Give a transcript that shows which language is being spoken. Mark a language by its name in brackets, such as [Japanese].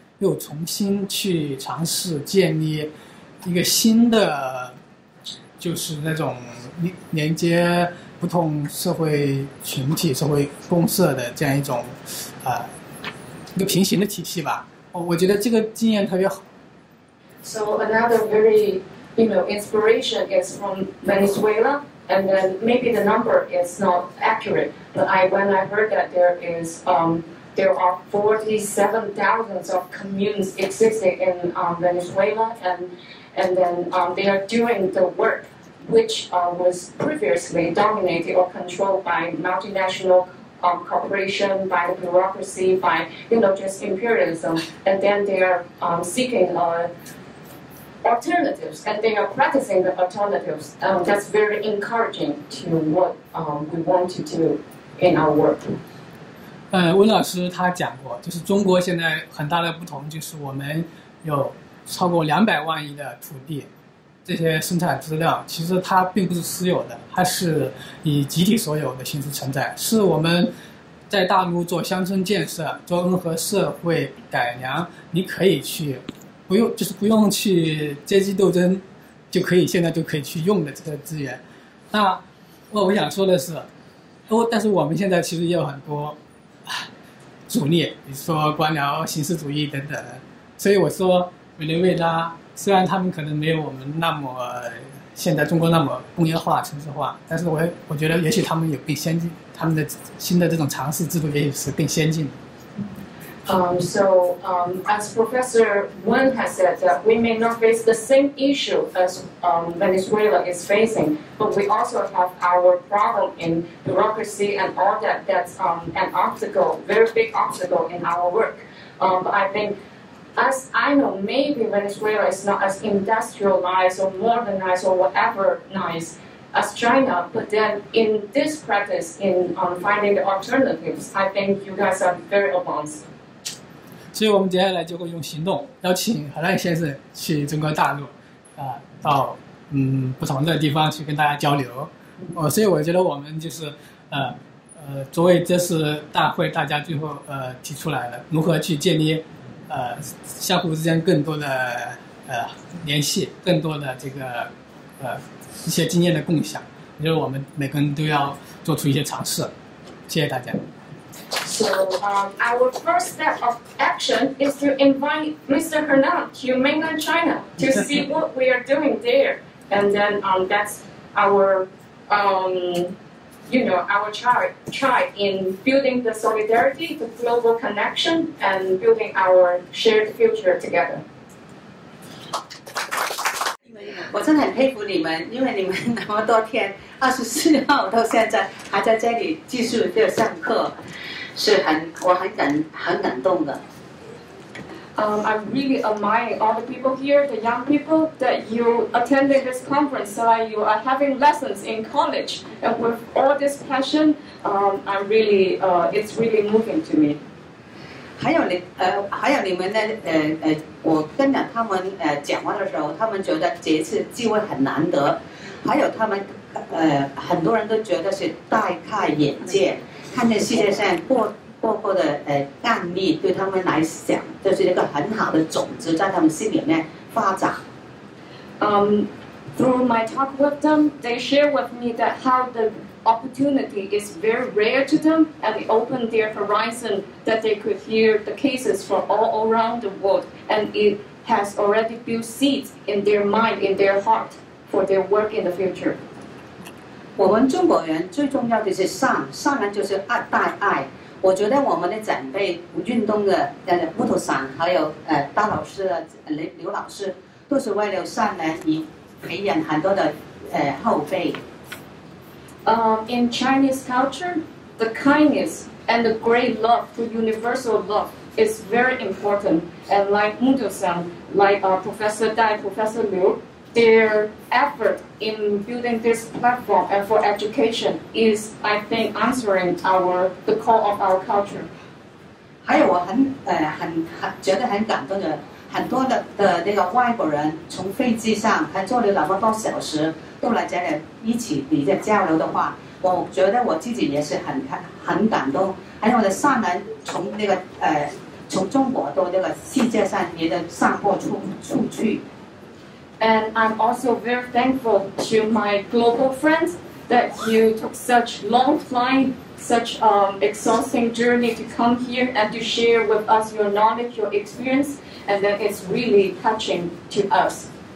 [Chinese] 又重新去尝试建立一个新的，就是那种连接不同社会群体、社会公社的这样一种，一个平行的体系吧。我觉得这个经验特别好。 [English] So another very, you know, inspiration is from Venezuela, and then maybe the number is not accurate, but when I heard that there are 47,000 of communes existing in Venezuela, and then they are doing the work which was previously dominated or controlled by multinational corporation, by the bureaucracy, by, you know, just imperialism, and then they are seeking alternatives, and they are practicing the alternatives. That's very encouraging to what we want to do in our work. [Chinese] 温老师他讲过，就是中国现在很大的不同，就是我们有超过200万亿的土地，这些生产资料其实它并不是私有的，它是以集体所有的形式存在，是我们在大陆做乡村建设、做任何社会改良，你可以去不用，就是不用去阶级斗争，就可以现在就可以去用的这个资源。那我想说的是，但是我们现在其实也有很多阻力，比如说官僚形式主义等等，所以我说委内瑞拉虽然他们可能没有我们那么现在中国那么工业化城市化，但是我觉得也许他们也更先进，他们的新的这种尝试制度也许是更先进的。 [English] So as Professor Wen has said, that we may not face the same issue as Venezuela is facing, but we also have our problem in bureaucracy and all that. That's an obstacle, very big obstacle in our work. But I think, as I know, maybe Venezuela is not as industrialized or modernized or whatever nice as China, but then in this practice, in finding the alternatives, I think you guys are very advanced. [Chinese] 所以我们接下来就会用行动邀请荷兰先生去中国大陆，到不同的地方去跟大家交流。所以我觉得我们就是作为这次大会大家最后提出来了，如何去建立相互之间更多的联系，更多的这个一些经验的共享，就是我们每个人都要做出一些尝试。谢谢大家。 [English] So our first step of action is to invite Mr. Hernan to mainland China to see what we are doing there. And then that's our try in building the solidarity, the global connection, and building our shared future together. [Chinese] 我真的很佩服你们，因为你们那么多天，24号到现在还在这里继续在上课。 [English] I really admire all the people here, the young people, that you attended this conference, so you are having lessons in college, and with all this passion, it's really moving to me. [Chinese] 还有你们呢，我跟着他们讲话的时候，他们觉得这次机会很难得，还有他们很多人都觉得是大开眼界，看见世界上过的案例，对他们来讲就是一个很好的种子，在他们心里面发展。 [English] Through my talk with them, they share with me that how the opportunity is very rare to them, and it opened their horizon that they could hear the cases from all around the world, and it has already built seeds in their mind, in their heart, for their work in the future. [Chinese] 我们中国人最重要的是善，善人就是带爱。我觉得我们的长辈运动的木头伞，还有大老师的刘老师，都是为了善人以培养很多的后辈。 [English] In Chinese culture, the kindness and the great love, the universal love, is very important. And like Mu Tu San, like Professor Dai, Professor Liu, their effort in building this platform and for education is, I think, answering the call of our culture. [Chinese] 还有我很感动的，很多的那个外国人从飞机上还坐了那么多小时。都来这里一起比较交流的话，我觉得我自己也是很感动。还有我的善人从那个从中国到这个世界上也都散播出去。 [English] And I'm also very thankful to my global friends that you took such long flight, such exhausting journey to come here and to share with us your knowledge, your experience, and that is really touching to us.